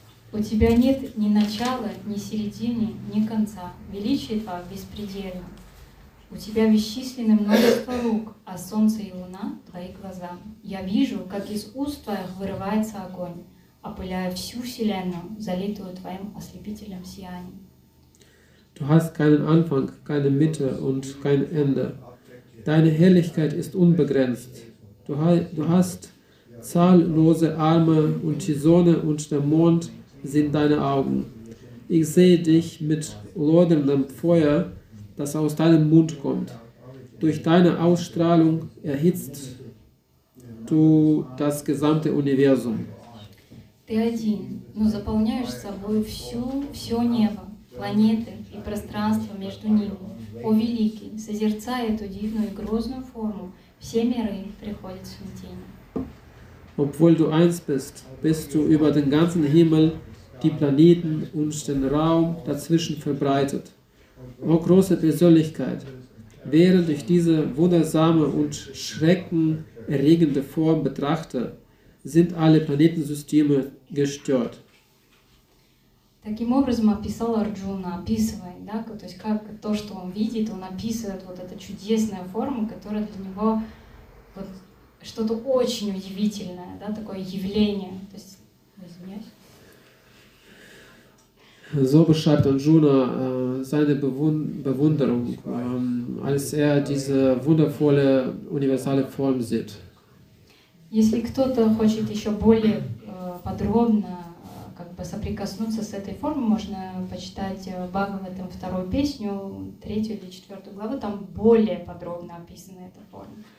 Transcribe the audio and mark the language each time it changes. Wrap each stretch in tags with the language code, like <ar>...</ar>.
<ru>У тебя нет ни начала, ни середины, ни конца. Величие твое беспредельно. У тебя бесчисленно множество рук, а солнце и луна — твои глаза. Я вижу, как из уст твоих вырывается огонь, опыляя всю вселенную, залитую твоим ослепительным сиянием.</ru> <de>Du hast keinen Anfang, keine Mitte und kein Ende. Deine Helligkeit ist unbegrenzt. Du hast zahllose Arme und die Sonne und der Mond sind deine Augen. Ich sehe dich mit loderndem Feuer, das aus deinem Mund kommt. Durch deine Ausstrahlung erhitzt du das gesamte Universum.</de> <ru>Ты один, но заполняешь собой всё небо, планеты и пространство между ними. О великий, созерцая эту дивную и грозную форму, все миры приходят в смятение.</ru> <de>Obwohl du eins bist, bist du über den ganzen Himmel, die Planeten und den Raum dazwischen verbreitet. O große Persönlichkeit, während ich diese wundersame und schreckenerregende Form betrachte, sind alle Planetensysteme gestört.</de> <ru>Таким образом описал Арджуна, описывая, да, то есть как то, что он видит, он описывает вот эту чудесную форму, которая для него вот что-то очень удивительное, да, такое явление. То есть,</ru> <de>So beschreibt Arjuna seine Bewunderung, als er diese wundervolle, universale Form sieht.</de> <ru>Если кто-то хочет еще более подробно как бы соприкоснуться с этой формой, можно почитать Бхагаватам вторую песню, третью или четвертую главу, там более подробно описана эта форма.</ru>